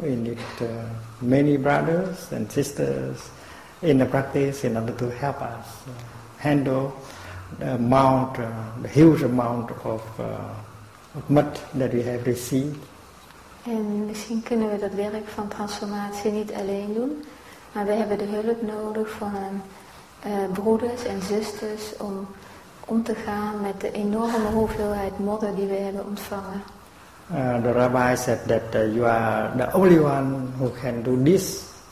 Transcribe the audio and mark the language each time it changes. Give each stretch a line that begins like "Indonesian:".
English: We need many brothers and sisters in the practice in order to help us handle the huge amount of mud that we have received.
Dutch: En misschien kunnen we dat werk van transformatie niet alleen doen, maar we hebben de hulp nodig van broeders en zusters om te gaan met de enorme hoeveelheid modder die we hebben ontvangen.
English: The rabbi said that you are the only one who can do this.